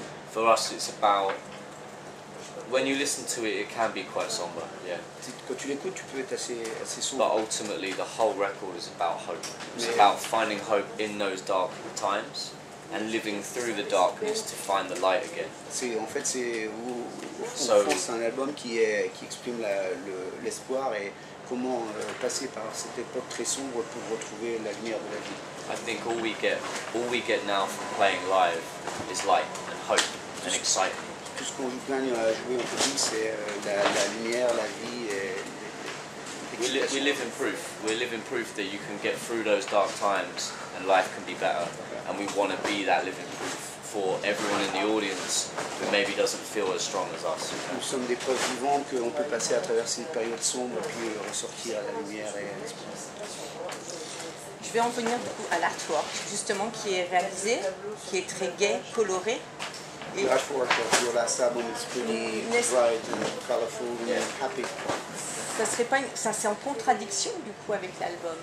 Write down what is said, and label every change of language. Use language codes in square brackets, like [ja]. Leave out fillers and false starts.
[en] For us, it's about, when you listen to it, it can be quite somber, yeah. [fr] Quand tu l'écoutes, tu peux être assez sombre. [en] But ultimately, the whole record is about hope. It's about finding hope in those dark times, and living through the darkness to find the light again. [fr] C'est un album qui exprime l'espoir et comment passer par cette époque très sombre pour retrouver la lumière de la vie. [en] I think all we get now from playing live is light and hope and excitement. [fr] Tout ce qu'on joue plein à jouer en public, c'est la lumière, la vie et l'excitation. [en] We're living proof that you can get through those dark times and life can be better. And we want to be that living proof for everyone in the audience who maybe doesn't feel as strong as us. [fr] Nous sommes des preuves vivantes qu'on peut passer à travers une période sombre puis ressortir à la lumière et à l'espoir. Je vais en venir du coup à l'artwork, justement, qui est réalisé, qui est très gai, coloré. [en] Et the artwork of your last album is pretty bright and colorful and happy. [fr] ça serait pas une... ça c'est en contradiction du coup avec l'album.